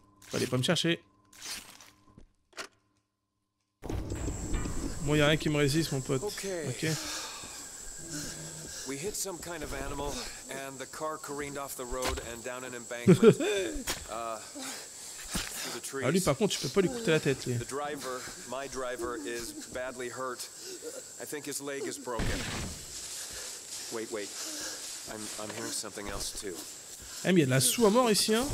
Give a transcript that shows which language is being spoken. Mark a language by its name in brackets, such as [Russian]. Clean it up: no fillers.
[French] Fallait pas me chercher. Bon, y'a rien qui me résiste, mon pote. Ok. [English] We hit some kind of animal, and the car careened off the road and down an embankment. [French] Ah lui, par contre, tu peux pas lui couper la tête, lui. [English] The driver, my driver, is badly hurt. I think his leg is broken. Wait, wait. I'm hearing something else too. [French] Eh, mais y a de la sou à mort ici, hein.